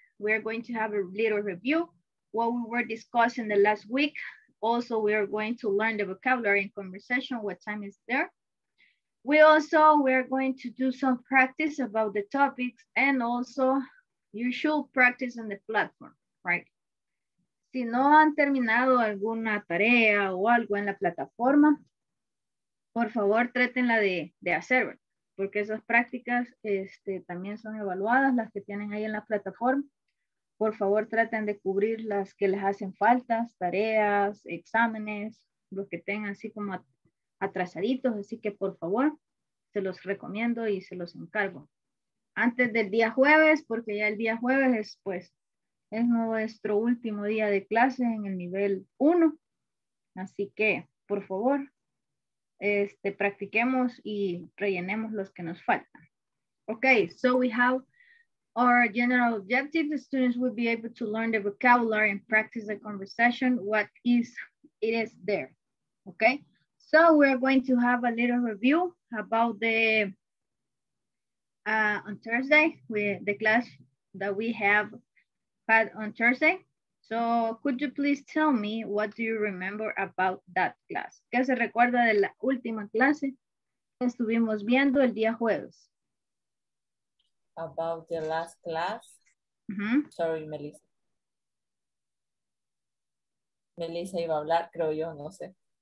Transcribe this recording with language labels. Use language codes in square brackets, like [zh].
[en] We're going to have a little review what we were discussing the last week. Also, we are going to learn the vocabulary in conversation. What time is there? We're going to do some practice about the topics and also you should practice on the platform, right? [es] Si no han terminado alguna tarea o algo en la plataforma, por favor, trátenla de hacer, porque esas prácticas también son evaluadas, las que tienen ahí en la plataforma. Por favor, traten de cubrir las que les hacen falta, tareas, exámenes, los que tengan así como atrasaditos. Así que, por favor, se los recomiendo y se los encargo. Antes del día jueves, porque ya el día jueves es, pues, es nuestro último día de clase en el nivel 1. Así que, por favor, practiquemos y rellenemos los que nos faltan. [en] Okay, so we have our general objective. The students will be able to learn the vocabulary and practice the conversation. What is it is there? Okay, so we're going to have a little review about the on Thursday with the class that we have had on Thursday. So could you please tell me what do you remember about that class? [es] ¿Qué se recuerda de la última clase que estuvimos viendo el día jueves? [en] About the last class? Uh-huh. Sorry, Melissa. [es] Melissa iba a hablar, creo yo, no sé.